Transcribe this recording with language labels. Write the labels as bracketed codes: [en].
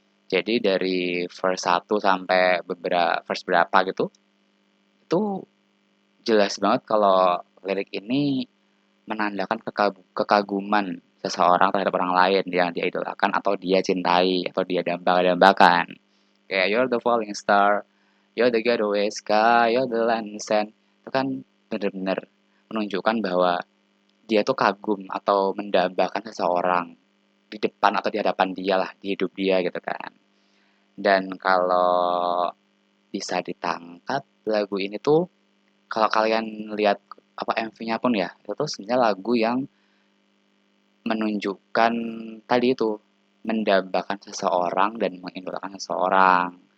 [id] Jadi dari verse 1 sampai verse berapa gitu, itu jelas banget kalau lirik ini menandakan kekaguman seseorang terhadap orang lain yang dia idolakan atau dia cintai atau dia dambakan. Kayak [en] you're the falling star, you're the getaway sky, you're the landsend. [id] Itu kan benar-benar menunjukkan bahwa dia tuh kagum atau mendambakan seseorang di depan atau di hadapan dia lah, di hidup dia gitu kan. Dan kalau bisa ditangkap lagu ini tuh, kalau kalian lihat apa MV-nya pun ya, itu tuh sebenarnya lagu yang menunjukkan tadi itu, mendambakan seseorang dan mengindulkan seseorang.